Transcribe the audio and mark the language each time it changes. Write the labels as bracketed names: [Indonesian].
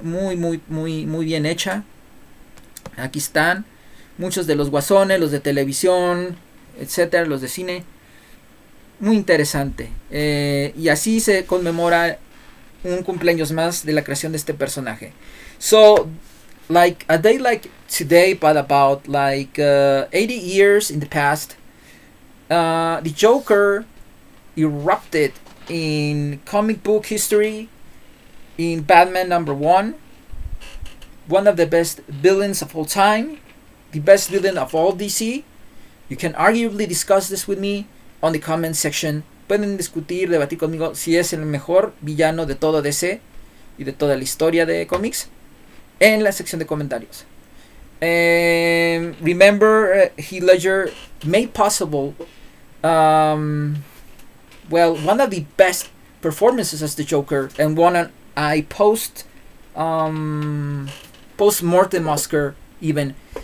[Spanish] Muy, muy, muy, muy bien hecha. Aquí están muchos de los guasones, los de televisión, etcétera, los de cine. Muy interesante. Y así se conmemora un cumpleaños más de la creación de este personaje. [English] So, like a day like today, but about like 80 years in the past, the Joker erupted in comic book history in Batman number one, one of the best villains of all time, the best villain of all DC. You can arguably discuss this with me on the comment section. [Spanish] Pueden discutir, debatir conmigo si es el mejor villano de todo DC y de toda la historia de cómics en la sección de comentarios. [English] Remember, Heath Ledger made possible, well, one of the best performances as the Joker and won a post-mortem Oscar even.